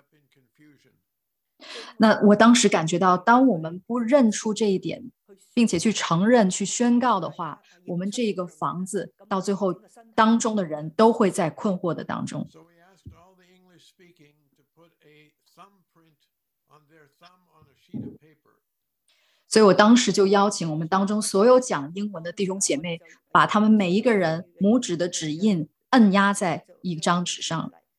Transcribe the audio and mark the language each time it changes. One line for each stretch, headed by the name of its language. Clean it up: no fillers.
English: confusion.
Chinese: 那我当时感觉到，当我们不认出这一点，并且去承认、去宣告的话，我们这个房子到最后当中的人都会在困惑的当中。
English: So we asked all the English speaking to put a thumbprint on their thumb on a sheet of paper.
Chinese: 所以我当时就邀请我们当中所有讲英文的弟兄姐妹，把他们每一个人拇指的指印摁压在一张纸上。